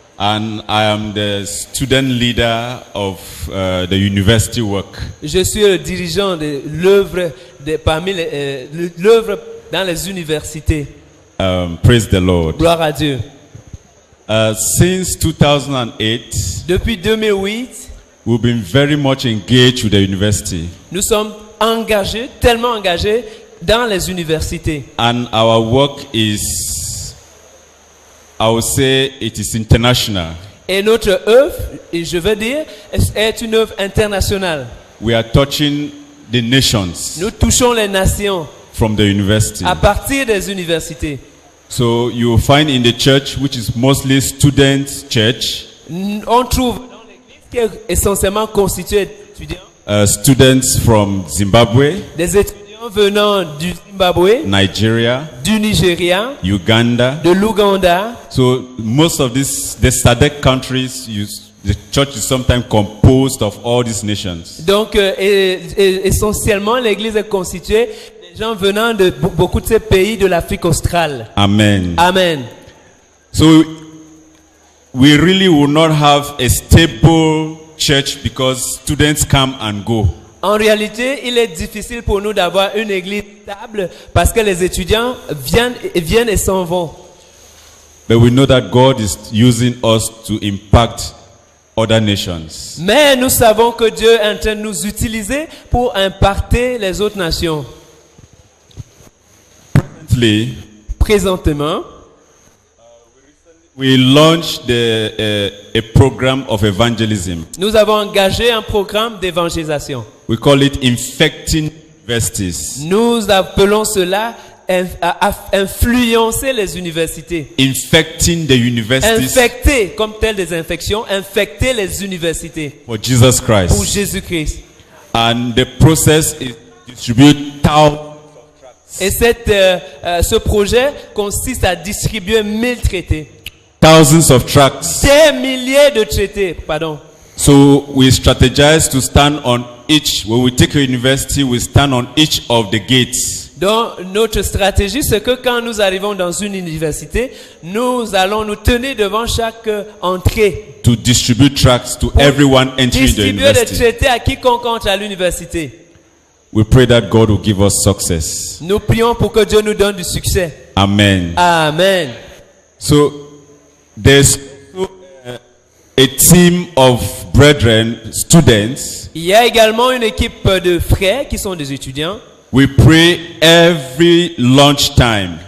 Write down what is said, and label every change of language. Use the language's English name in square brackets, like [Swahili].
[English] And I am the student leader of the university work. [French] Je suis le dirigeant de l'œuvre de parmi les l'œuvre dans les universités. [English] Praise the Lord. [French] Gloire à Dieu. [English] Since 2008. [French] Depuis 2008. [English] We've been very much engaged with the university. [French] Nous sommes engagés, tellement engagés dans les universités. [English] And our work is, I would say it is international. [French] Et notre œuvre, je veux dire, est une œuvre internationale. [English] We are touching the nations. [French] Nous touchons les nations. [English] From the university. [French] À partir des universités. [English] So you will find in the church, which is mostly student church. [French] On trouve dans l'église qui est essentiellement constituée d'étudiants. [English] Students from Zimbabwe. [French] Des étudiants venant du Zimbabwe. [English] Nigeria. [French] Du Nigeria. [English] Uganda. [French] De l'Ouganda. [English] So most of these SADC countries, the church is sometimes composed of all these nations. [French] Donc essentiellement l'église est constituée des gens venant de beaucoup de ces pays de l'Afrique australe. [English] Amen. [French] Amen. [English] So we really will not have a stable church because students come and go. [French] En réalité, il est difficile pour nous d'avoir une église stable parce que les étudiants viennent et s'en vont. [English] But we know that God is using us to impact other nations. [French] Mais nous savons que Dieu est en train de nous utiliser pour impacter les autres nations. [English] Presently, [French] présentement, [English] we launched a program of evangelism. [French] Nous avons engagé un programme d'évangélisation. [English] We call it infecting universities. [French] Nous appelons cela influencer les universités. [English] Infecting the universities. [French] Infecter comme telle des infections, infecter les universités. [English] For Jesus Christ. [French] Pour Jésus-Christ. [English] And the process is distribute thousands of tracts. [French] Et ce projet consiste à distribuer 1,000 traités. [English] Thousands of tracts. [French] Des milliers de traités, pardon. [English] So we strategize to stand on each, when we take a university, we stand on each of the gates. [French] Donc notre stratégie, c'est que quand nous arrivons dans une université, nous allons nous tenir devant chaque entrée. [English] To distribute tracts to everyone entering the university. [French] Distribuer des traités à quiconque entre à l'université. [English] We pray that God will give us success. [French] Nous prions pour que Dieu nous donne du succès. [English] Amen. [French] Amen. [English] So there's a team of brethren, students. [French] Il y a également une équipe de frères qui sont des étudiants. [English] We pray every lunch time.